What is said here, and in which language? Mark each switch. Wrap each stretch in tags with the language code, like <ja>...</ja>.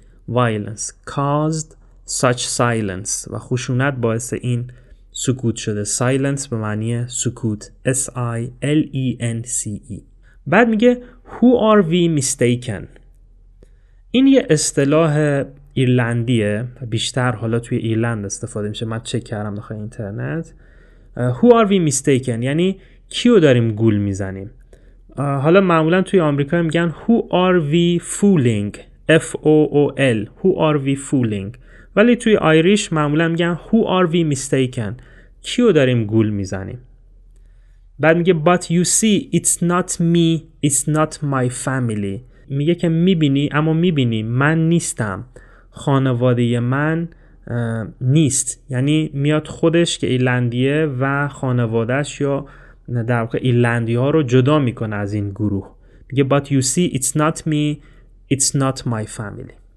<en>Violence caused such silence.</en> <fa>و خشونت باعث این سکوت شده. Silence به معنی سکوت، S-I-L-E-N-C-E. بعد میگه</fa> <en>Who are we mistaken؟</en> <fa>این یه اصطلاح ایرلندیه، بیشتر حالا توی ایرلند استفاده میشه، من چک کردم داخل اینترنت.</fa> <en>Who are we mistaken؟</en> <fa>یعنی کیو داریم گول میزنیم؟ حالا معمولا توی آمریکا میگن</fa> <en>Who are we fooling؟ F-O-O-L Who are we fooling؟</en> <fa>ولی توی آیریش معمولا میگن Who are we mistaken؟ کیو داریم گول میزنیم؟ بعد میگه</fa> <en>But you see it's not me, it's not my family.</en> <fa>میگه که میبینی، اما میبینی من نیستم، خانواده من نیست، یعنی میاد خودش که ایلندیه و خانوادهش یا در واقع ایلندی ها رو جدا میکنه از این گروه، میگه</fa> <en>but you see it's not me, it's not my family.</en>